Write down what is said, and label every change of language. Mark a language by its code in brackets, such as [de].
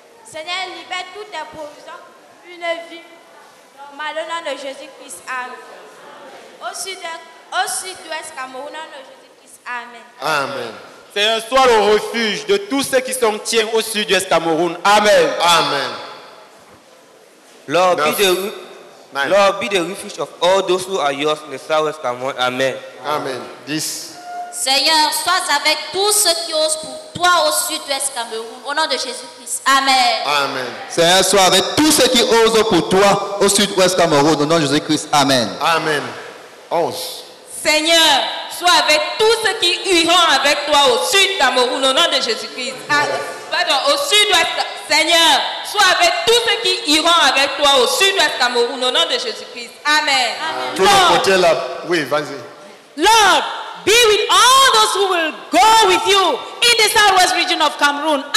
[fr] Seigneur, libère toutes tes provisions, une vie normale au nom de Jésus-Christ. Amen. Au sud-ouest Cameroun, au nom de Jésus-Christ. Amen. Amen. Seigneur, sois le refuge de tous ceux qui sont tiens au sud-ouest Cameroun. Amen. Amen. [en] Lord, be the refuge of all those who are yours in the south-west Cameroun. Amen. Amen. This. [fr] Seigneur, sois avec tous ceux qui osent pour toi au sud-ouest Cameroun. Au nom de Jésus-Christ. Amen. Amen. Seigneur, sois avec tous ceux qui osent pour toi au sud-ouest Cameroun. Au nom de Jésus-Christ. Amen. Amen. 11. Seigneur, sois avec tous ceux qui iront avec toi au sud Cameroun au nom de Jésus-Christ. Pardon, au sud-ouest. Seigneur, sois avec tous ceux qui iront avec toi au sud-ouest Cameroun au nom de Jésus-Christ. Amen. Amen. Oui, vas-y. [en] Lord, be with all those who will go with you in the southwest region of Cameroon.